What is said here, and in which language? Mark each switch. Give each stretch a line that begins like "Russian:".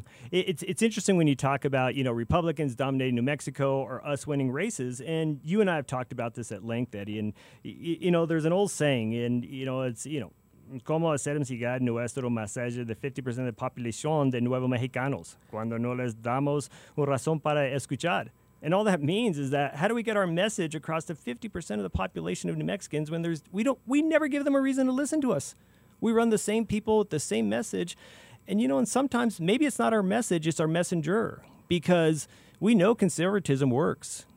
English: it's interesting when you talk about, Republicans dominating New Mexico or us winning races. And you and I have talked about this at length, Eddie. And, there's an old saying, and,
Spanish: como hacemos llegar nuestro mensaje de 50% de población de nuevos mexicanos cuando no les damos una razón para escuchar?
English: And all that means is that how do we get our message across to 50% of the population of New Mexicans when we never give them a reason to listen to us? We run the same people with the same message, and sometimes maybe it's not our message, it's our messenger, because we know conservatism works.